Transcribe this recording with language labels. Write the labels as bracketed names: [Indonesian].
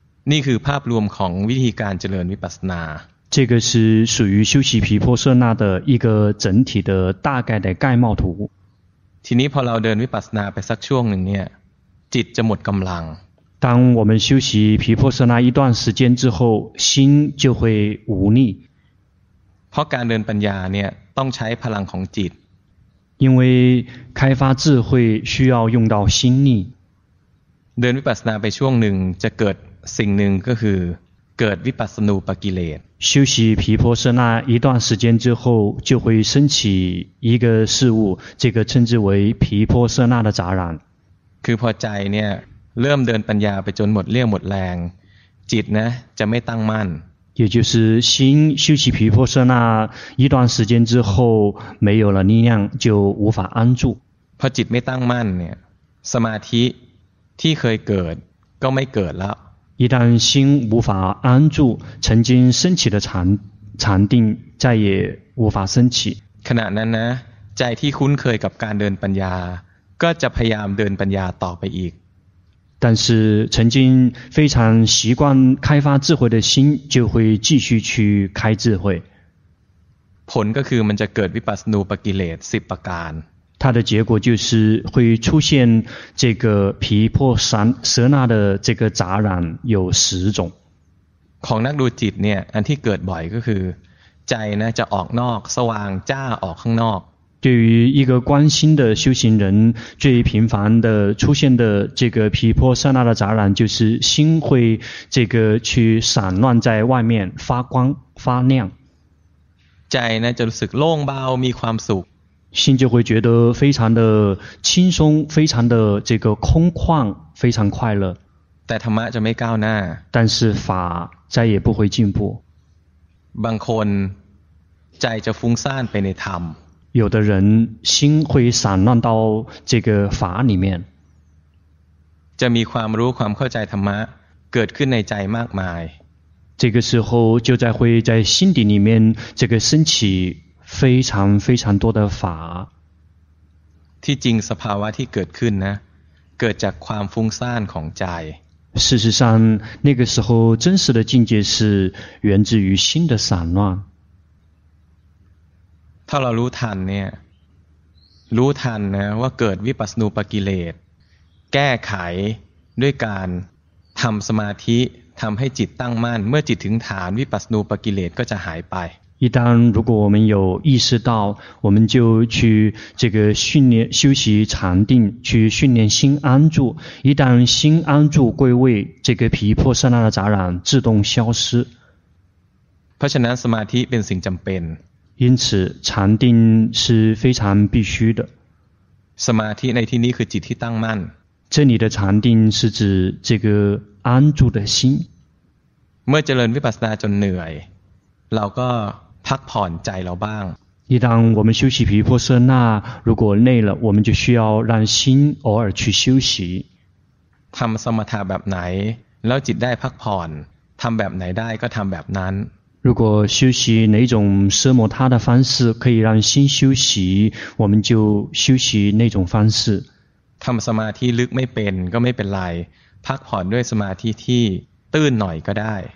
[Thai] นี่คือภาพรวมของวิธีการเจริญวิปัสสนา [Chinese] 这个是属于修习毗婆舍那的一个整体的大概的概貌图 [Thai] ทีนี้พอเราเดินวิปัสสนาไปสักช่วงหนึ่งเนี่ยจิตจะหมดกำลัง [Chinese] 当我们修习毗婆舍那一段时间之后心就会无力 [Thai] เพราะการเดินปัญญาเนี่ยต้องใช้พลังของจิต [Chinese] 因为开发智慧需要用到心力 [Thai] เดินวิปัสสนาไปช่วงหนึ่งจะเกิดสิ่งหนึ่งก็คือเกิดวิปัสสนูปกิเลส [Chinese] 修习毗婆舍那一段时间之后就会升起一个事物这个称之为毗婆舍那的杂染 [Thai] คือพอใจเนี่ยเริ่มเดินปัญญาไปจนหมดเรี่ยวหมดแรงจิตนะจะไม่ตั้งมั่น [Chinese] 也就是心修习毗婆舍那一段时间之后没有了力量就无法安住 [Thai] พอจิตไม่ตั้งมั่นเนี่ยสมาธิที่เคยเกิดก็ไม่เกิดแล้ว [Chinese] 一旦心无法安住曾经升起的禅定再也无法升起 [Thai] ขณะนั้นนะใจที่คุ้นเคยกับการเดินปัญญาก็จะพยายามเดินปัญญาต่อไปอีก [Chinese] 但是曾经非常习惯开发智慧的心就会继续去开智慧 [Thai] ผลก็คือมันจะเกิดวิปัสสนูปกิเลส10ประการ [Chinese] 它的结果就是会出现这个毗婆舍那的这个杂染有十种 [Thai] ของนักดูจิตเนี่ยอันที่เกิดบ่อยก็คือใจนะจะออกนอกสว่างจ้าออกข้างนอก [Chinese] 对于一个关心的修行人最频繁的出现的这个毗婆舍那的杂染就是心会这个去散乱在外面发光发亮 [Thai] ใจนะจะรู้สึกโล่งเบามีความสุข [Chinese] 心就会觉得非常的轻松非常的这个空旷非常快乐 [Thai] แต่ธรรมะจะไม่ก้าวหน้า [Chinese] 但是法再也不会进步 [Thai] บางคนใจจะฟุ้งซ่านไปในธรรม [Chinese] 有的人心会散乱到这个法里面 [Thai] จะมีความรู้ความเข้าใจธรรมะเกิดขึ้นในใจมากมาย [Chinese] 这个时候就在会在心底里面这个升起非常非常多的法 [Thai] ที่จริงสภาวะที่เกิดขึ้นนะเกิดจากความฟุ้งซ่านของใจ [Chinese] 事实上那个时候真实的境界是源自于心的散乱 [Thai] ถ้าเรารู้ทันเนี่ยรู้ทันนะว่าเกิดวิปัสสนูปกิเลสแก้ไขด้วยการทำสมาธิทำให้จิตตั้งมั่นเมื่อจิตถึงฐานวิปัสสนูปกิเลสก็จะหายไป [Chinese] 一旦如果我们有意识到，我们就去这个训练修习禅定，去训练心安住。一旦心安住归位，这个毗婆舍那的杂染自动消失。 [Thai] เพราะฉะนั้นสมาธิเป็นสิ่งจำเป็น。 [Chinese] 因此，禅定是非常必须的。 [Thai] สมาธิในที่นี้คือจิตที่ตั้งมั่น。 [Chinese] 这里的禅定是指这个安住的心。 [Thai] เมื่อเจริญวิปัสสนาจนเหนื่อย。 เราก็พักผ่อนใจเราบ้าง [Chinese] 一旦我们修习毗婆舍那如果累了我们就需要让心偶尔去休息 [Thai] ทำสมถะแบบไหนแล้วจิตได้พักผ่อนทำแบบไหนได้ก็ทำแบบนั้น [Chinese] 如果修习哪种奢摩他的方式可以让心休息我们就修习那种方式 [Thai] ทำสมาธิลึกไม่เป็นก็ไม่เป็นไรพักผ่อนด้วยสมาธิที่ตื้นหน่อยก็ได้